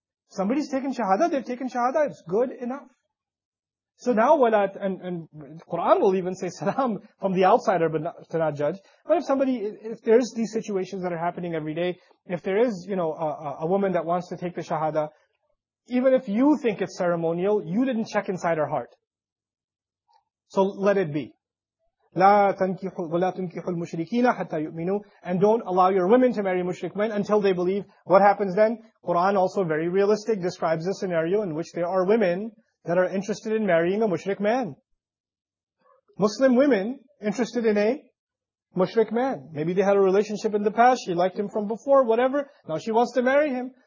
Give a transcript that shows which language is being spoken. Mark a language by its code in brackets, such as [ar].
[en] Somebody's taken shahada, they've taken shahada, it's good enough. So now, and Quran will even say salam from the outsider, but not, to not judge. But if somebody, if there's these situations that are happening every day, if there is, you know, a woman that wants to take the shahada, even if you think it's ceremonial, you didn't check inside her heart. So let it be. [ar] لا تنكحوا المشركين حتى يؤمنوا. [en] And don't allow your women to marry mushrik men until they believe. What happens then? Quran also very realistic describes a scenario in which there are women that are interested in marrying a mushrik man. Muslim women interested in a mushrik man. Maybe they had a relationship in the past, she liked him from before, whatever. Now she wants to marry him.